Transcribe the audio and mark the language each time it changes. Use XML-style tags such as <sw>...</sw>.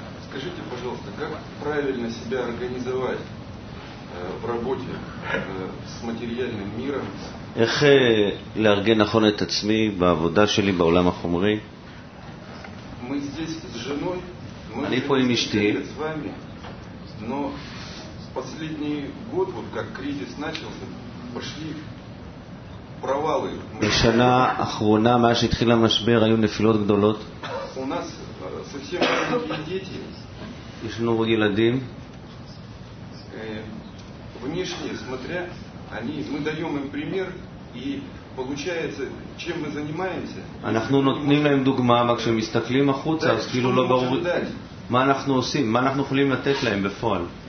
<ru>Скажите, пожалуйста, как правильно себя организовать в работе с материальным миром?</ru> <he>איך לארגן נכון את עצמי בעבודה שלי בעולם החומרי?</he> <ru>Мы здесь с женой.</ru> <he>אני פה עם אשתי.</he> <ru>Но последний год, вот как кризис начался, пошли провалы.</ru> <he>בשנה האחרונה, מאז שהתחיל המשבר, היו נפילות גדולות.</he> <ru>У нас совсем маленькие дети.</ru> <he>יש לנו ילדים.</he> <ru>Внешне смотря, мы даем им пример, и получается, чем мы занимаемся.</ru> <he>אנחנו נותנים להם דוגמה, אבל כשמסתכלים החוצה, אז כאילו לא ברור. מה אנחנו עושים? מה אנחנו יכולים לתת להם בפועל?</he>